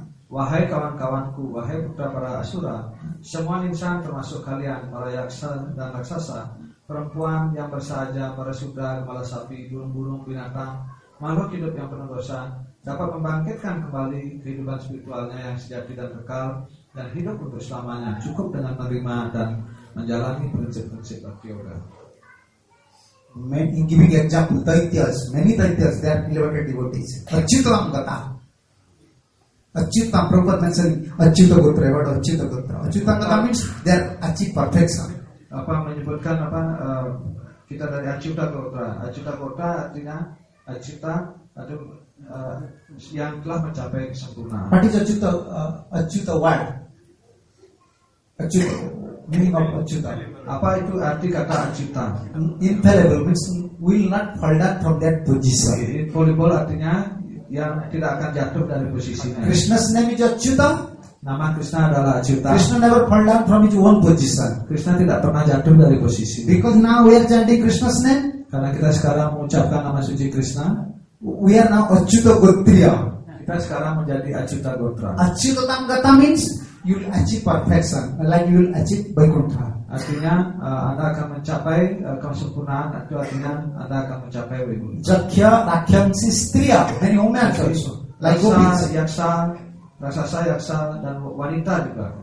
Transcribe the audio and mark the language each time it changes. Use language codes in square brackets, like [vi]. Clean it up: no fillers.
[id] Wahai kawan-kawanku, wahai putra para asura, semua insan termasuk kalian, para yaksa dan raksasa, perempuan yang bersahaja, para sudra, kepala sapi, burung-burung, binatang, makhluk hidup yang penuh dosa, dapat membangkitkan kembali kehidupan spiritualnya yang sejati dan kekal dan hidup untuk selamanya, cukup dengan menerima dan menjalani prinsip-prinsip bhakti yoga. [en] In giving example, taityas, many taityas, they are elevated devotees. [sa] Achyutam gata. [en] Achyuta, Prabhupada mentioned Achyuta Gutra, what Achyuta Gutra? Achyuta Gutra means they are achieved perfection. [id] Apa menyebutkan apa kita dari Achyuta Gutra? Achyuta Gutra artinya Achyuta atau yang telah mencapai kesempurnaan. [en] What is Achyuta? Achyuta what? Achyuta, meaning of Achyuta. [id] Apa itu arti kata Achyuta? [en] Infallible means will not fall down from that position. [id] Infallible artinya yang tidak akan jatuh dari posisinya. [en] Krishna's name is Achyuta. [id] Nama Krishna adalah Achyuta. [en] Krishna never fall down from his own position. [id] Krishna tidak pernah jatuh dari posisi. [en] Because now we are chanting Krishna's name. [id] Karena kita sekarang mengucapkan nama suci Krishna. [en] We are now Achyuta Gotriya. [id] Kita sekarang menjadi Achyuta Gotra. [en] Achyuta Tamgata means you will achieve perfection, like you will achieve Vaikuntha. [id] Artinya anda akan mencapai kesempurnaan atau artinya anda akan mencapai Vaikuntha. [sa] Jakhya rakhyamsi striya, [en] any woman also. [id] Like yaksa, yaksa, raksasa, yaksa dan wanita juga.